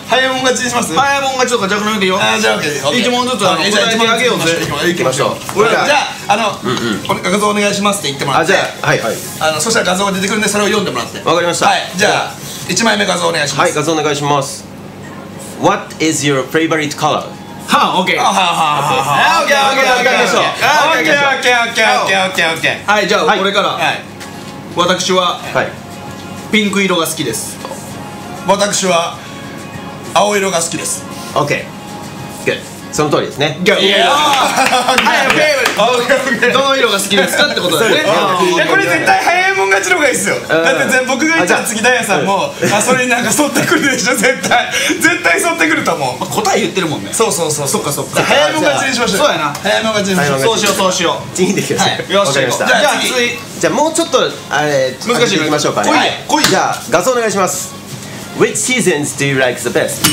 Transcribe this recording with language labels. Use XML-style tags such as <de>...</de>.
<ja>早いもん勝ちにします。早いもん勝ちとかじゃなくていいよ。あ、じゃあオッケー。一問ずつ答えてあげようぜ。行きましょう。じゃあ、あの、うんうん、画像お願いしますって言ってもらって、あ、じゃあ、はいはい、あの、そしたら画像が出てくるんで、それを読んでもらって。わかりました。はい、じゃあ、1枚目画像お願いします。はい、画像お願いします。</ja> <en>What is your favorite color?</en> <ja>はぁ、OK。はぁ、 OK、OK、OK、OK、 OK、OK、OK、OK、OK、OK。はい、じゃあ、はい、これから、はい、私は、はい、ピンク色が好きです。私は、青色が好きです。 OK、Good。 その通りですね。いやいやいや、はい、フェイブリー、どの色が好きですかってことですね。いや、これ絶対早いもん勝ちの方がいいっすよ。だって僕が言ったら次ダイヤさんも、あ、それになんか沿ってくるでしょ、絶対絶対沿ってくると思う。まあ、答え言ってるもんね。そうそうそう、そっかそっか。早いもん勝ちにしましょう。そうやな、早いもん勝ちにしましょう。そうしよう、そうしよう。次にできましょう。よっしゃ、行こう。じゃあ次、じゃあもうちょっと、あれ、難しいいきましょうかね。来い来い。じゃあ、画像お願いします。</ja> <en>Which seasons do you like the best?</en>